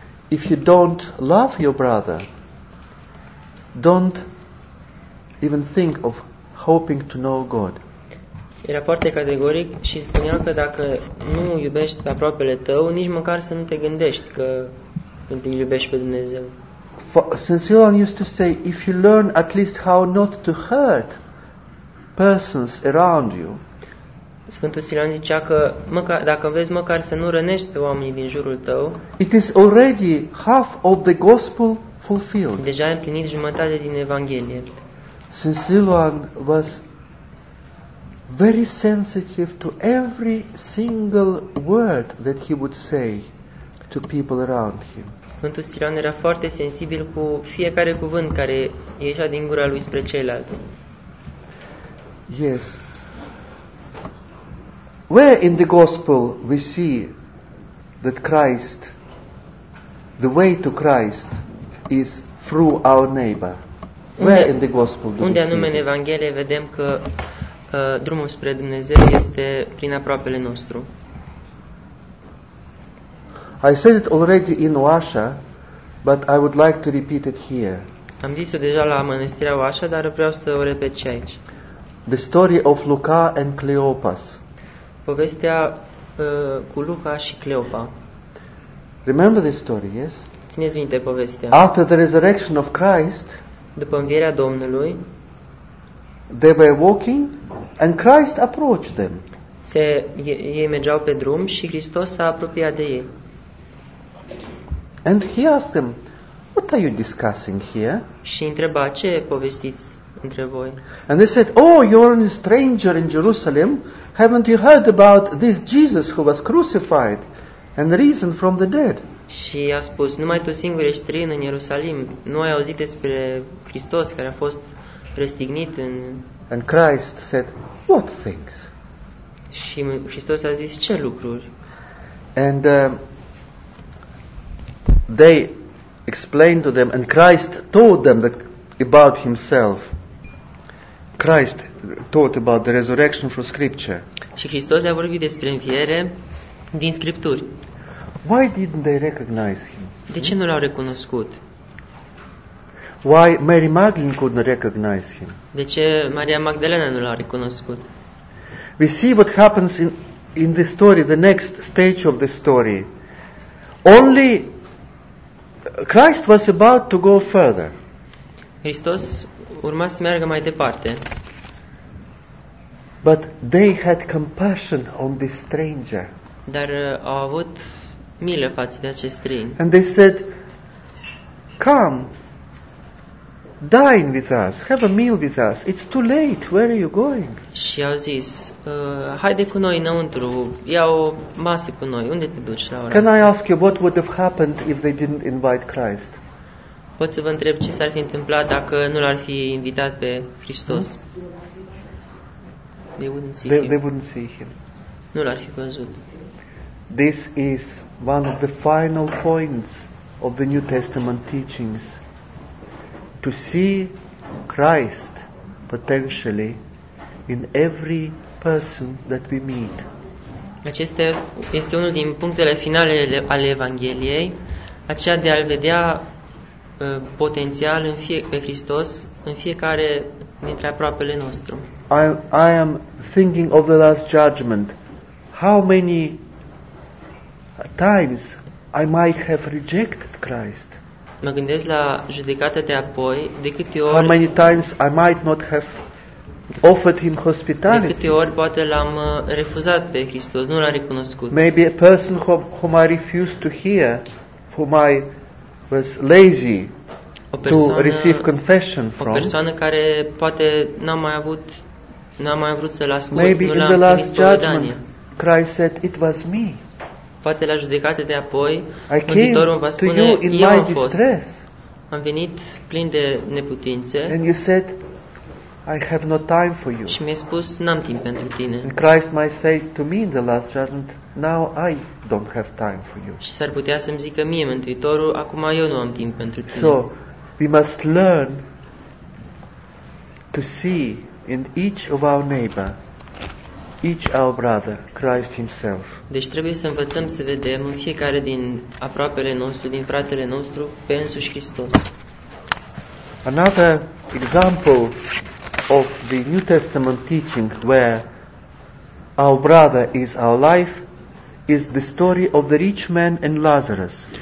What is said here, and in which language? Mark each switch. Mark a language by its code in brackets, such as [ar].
[en] If you don't love your brother, don't even think of hoping to know God. [ro] Era foarte categoric și spunea că dacă nu iubești pe aproapele tău, nici măcar să nu te gândești că îl iubești pe Dumnezeu. [en] Saint Silwan used to say, if you learn at least how not to hurt persons around you. [ro] Sfântul Silwan zicea că dacă vezi măcar să nu rănești pe oamenii din jurul tău, [en] it is already half of the gospel fulfilled. [ro] Deja ai împlinit jumătate din Evanghelie. [en] Saint Silwan was very sensitive to every single word that he would say to people around him. [ro] Sfântul Siluan era foarte sensibil cu fiecare cuvânt care ieșea din gura lui spre ceilalți. [en] Yes. Where in the gospel we see that Christ, the way to Christ is through our neighbor? Where in the gospel do we see? [ro] Unde în Evanghelie vedem că drumul spre Dumnezeu este prin aproapele nostru. [en] I said it already in Oașa, but I would like to repeat it here. [ro] Am zis-o deja la mănăstirea Oașa, dar vreau să o repet și aici. [en] The story of Luca and Cleopas. [ro] Povestea cu Luca și Cleopa. [en] Remember the story, yes? [ro] Țineți minte povestea. [en] After the resurrection of Christ, [ro] după învierea Domnului, [en] they were walking and Christ approached them. [ro] Ei mergeau pe drum și Hristos s-a apropiat de ei. [en] And he asked them, what are you discussing here? [ro] Și întreba, ce povestiți între voi? [en] And they said, oh, you're a stranger in Jerusalem. Haven't you heard about this Jesus who was crucified and risen from the dead? [ro] Și a spus, numai tu singur ești străin în Ierusalim. Nu ai auzit despre Hristos care a fost răstignit în... [en] And Christ said, what things? [ro] Și Hristos a zis, ce lucruri? [en] And they explained to them, and Christ told them that about himself. Christ taught about the resurrection from Scripture. [ro] Și Hristos le-a vorbit despre înviere din Scripturi. [en] Why didn't they recognize him? [ro] De ce nu l-au recunoscut? [en] Why Mary Magdalene could not recognize him? [ro] De ce Maria Magdalena nu l-a recunoscut? [en] We see what happens in the story, the next stage of the story. Only Christ was about to go further. [ro] Hristos urma să meargă mai departe. [en] But they had compassion on this stranger. [ro] Dar au avut milă față de acest străin. [en] And they said, "Come, dine with us, have a meal with us. It's too late. Where are you going?" [ro] Și au zis, "Haide cu noi înăuntru. Ia o masă cu noi. Unde te duci la ora?" [en] Can I ask you what would have happened if they didn't invite Christ? [ro] Pot să vă întreb ce s-ar fi întâmplat dacă nu l-ar fi invitat pe Hristos? [en] They wouldn't see him. [ro] Nu l-ar fi văzut. [en] This is one of the final points of the New Testament teachings. To see Christ potentially in every person that we meet. [ro] Acesta este unul din punctele finale ale Evangheliei, aceea de a-l vedea potențial pe Hristos în fiecare dintre aproapele nostru. [en] I am thinking of the last judgment. How many times I might have rejected Christ? [ro] Mă gândesc la judecata de apoi, de câte ori... [en] How many times I might not have offered him hospitality? [ro] De câte ori poate l-am refuzat pe Hristos, nu l-am recunoscut. [en] Maybe a person whom I refused to hear, whom I was lazy to receive confession from. [ro] O persoană care poate n-am mai vrut să-l ascult, [en] maybe [ro] nu l-am [en] in the last judgment, Christ said, "It was me." [ro] Poate la judecate de apoi, Mântuitorul va spune, eu am fost. Am venit plin de neputințe. [en] And you said, "I have no time for you." [ro] Și mi-a spus, n-am timp pentru tine. [en] And Christ might say to me in the last judgment, "Now I don't have time for you." [ro] Și s-ar putea să-mi zică mie, Mântuitorul, acum eu nu am timp pentru tine. [en] So, we must learn to see in each of our neighbor, each our brother, Christ himself. [ro] Deci trebuie să învățăm să vedem în fiecare din aproapele nostru, din fratele nostru, pe însuși Hristos. [en] Another example of the New Testament teaching where our brother is our life is the story of the rich man and Lazarus.